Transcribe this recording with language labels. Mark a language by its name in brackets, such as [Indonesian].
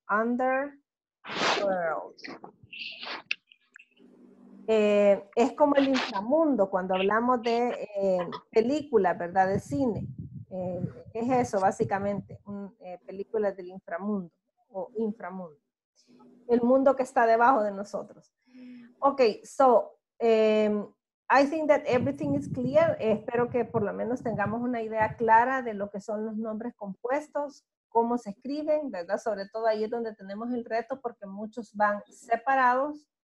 [English] Underworld. [Spanish] Es como el inframundo cuando hablamos de películas, ¿verdad? De cine. Es eso, básicamente, películas del inframundo o inframundo. El mundo que está debajo de nosotros. [English] Ok, so, I think that everything is clear. [Spanish] Espero que por lo menos tengamos una idea clara de lo que son los nombres compuestos, cómo se escriben, ¿verdad? Sobre todo ahí es donde tenemos el reto porque muchos van separados.